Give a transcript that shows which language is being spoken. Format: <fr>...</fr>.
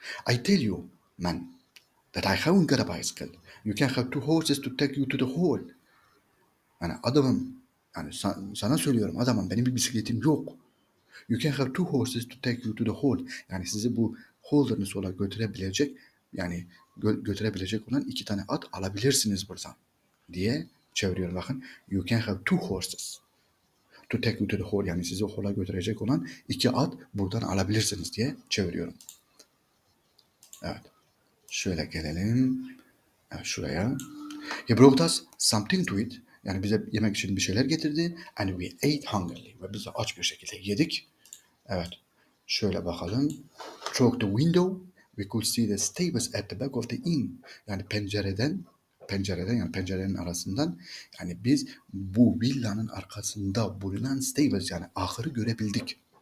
<en>I tell you, man, that I haven't got a bicycle. You can have two horses to take you to the hall.</en> <tr>Yani adamım, yani sana söylüyorum adamım, benim bir bisikletim yok.</tr> <en>You can have two horses to take you to the hall.</en> <tr>Yani sizi bu holderness olarak götürebilecek, yani götürebilecek olan iki tane at alabilirsiniz buradan diye çeviriyorum bakın.</tr> <en>You can have two horses to take you to the hall.</en> <tr>Yani sizi hola götürecek olan iki at buradan alabilirsiniz diye çeviriyorum. Evet. Şöyle gelelim. Evet, şuraya.</tr> <en>He brought us something to eat.</en> <tr>Yani bize yemek için bir şeyler getirdi.</tr> <en>And we ate hungrily.</en> <tr>Ve biz aç bir şekilde yedik. Evet. Şöyle bakalım.</tr> <en>Through the window we could see the stables at the back of the inn.</en> <tr>Yani pencerenin arasından yani biz bu villanın arkasında bulunan stables yani ahırı görebildik.</tr>